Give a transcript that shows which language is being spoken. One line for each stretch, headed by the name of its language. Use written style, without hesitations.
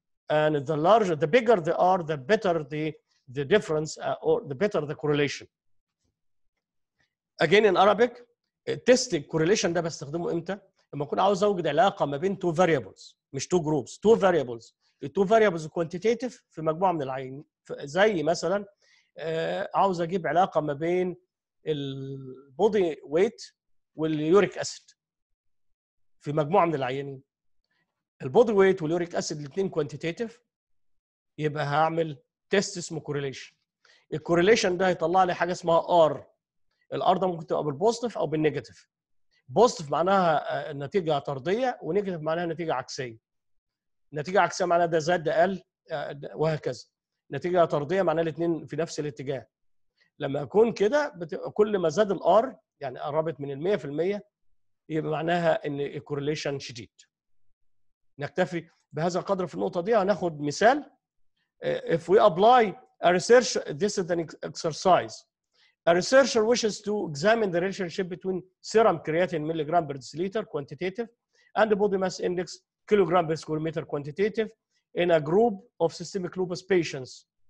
English: And the larger, the bigger they are, the better the difference or the better the correlation. Again in Arabic, testing correlation
Arabic: ده بستخدمه امتى؟ لما اكون عاوز اوجد علاقة ما بين two variables، مش two groups، two variables.
English: The two variables quantitative
Arabic: في مجموعة من العين، زي مثلا عاوز اجيب علاقة ما بين البودي ويت واليوريك اسيد في مجموعة من العينين. البودي ويت واليوريك اسيد الاثنين كوانتيتيف، يبقى هعمل تيست اسمه كوريليشن. الكوريليشن ده هيطلع لي حاجه اسمها ار. الار ده ممكن تبقى بالبوزيتيف او بالنيجاتيف. بوزيتيف معناها النتيجه طرديه، ونيجاتيف معناها نتيجه عكسيه. نتيجه عكسيه معناها ده زاد ده قل وهكذا. نتيجه طرديه معناها الاثنين في نفس الاتجاه. لما يكون كده كل ما زاد الار يعني قربت من ال 100% يبقى معناها ان الكوريليشن شديد. نكتفي بهذا القدر في النقطة دي. هناخد مثال.
English: If we apply a research, this is an exercise. A researcher wishes to examine the relationship between serum creatinine milligram per deciliter quantitative and the body mass index kilogram per square meter quantitative in a group of systemic lupus patients.